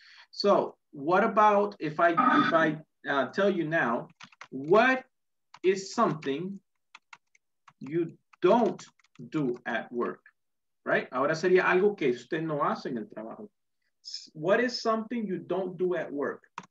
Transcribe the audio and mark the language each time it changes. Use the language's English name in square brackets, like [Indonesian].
[English] So, what about if I tell you now, what is something you don't do at work? Right? [Spanish] Ahora sería algo que usted no hace en el trabajo. [English] What is something you don't do at work?